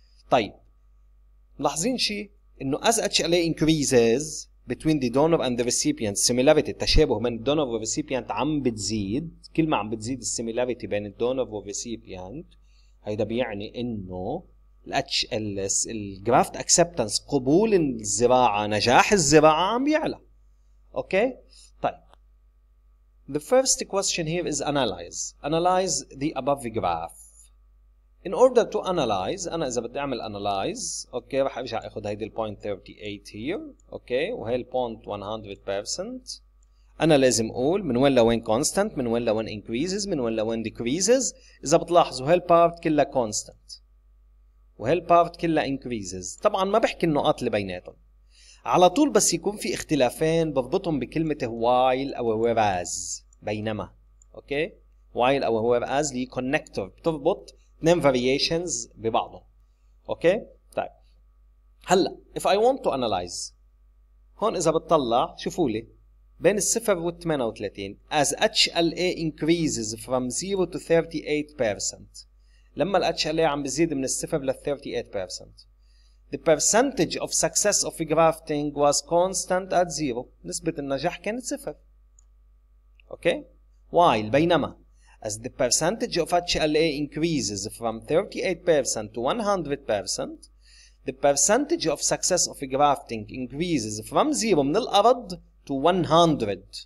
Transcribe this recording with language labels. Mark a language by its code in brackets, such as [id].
[ar] طيب ملاحظين شيء انه [en] as HLA increases between the donor and the recipient similarity, [ar] التشابه بين الدونر والريسيبيانت عم بتزيد. كل ما عم بتزيد السيميلاريتي بين الدونر والريسيبيانت هيدا بيعني انه ال HLS [en] الجرافت اكسبتنس, [ar] قبول الزراعه, نجاح الزراعه عم بيعلى. اوكي طيب [en] the first question here is analyze the above graph. In order to analyze, [ar] انا اذا بدي اعمل analyze, اوكي رح ارجع اخذ هيدي البوينت 38 here, اوكي وهي البوينت 100%. انا لازم اقول من وين لوين constant, من وين لوين increases, من وين لوين decreases. اذا بتلاحظوا هالبارت كلها constant وهالبارت كلها increases, طبعا ما بحكي النقاط اللي بيناتهم. على طول بس يكون في اختلافين بضبطهم بكلمة while أو whereas بينما. أوكي؟ while أو whereas لي connector بتضبط اثنين variations ببعضه. أوكي؟ طيب هلا [en] if I want to analyze [ar] هون إذا بتطلع شوفوا لي بين الصفر والثمانية وثلاثين [en] as HLA increases from 0 to 38%. [ar] لما ال HLA عم بزيد من الصفر لل 38%. [en] The percentage of success of grafting was constant at zero. [ar] نسبة النجاح كانت صفر. [en] Okay? While بينما as the percentage of HLA increases from 38% to 100%, the percentage of success of grafting increases from zero [ar] من الأرض [en] to 100.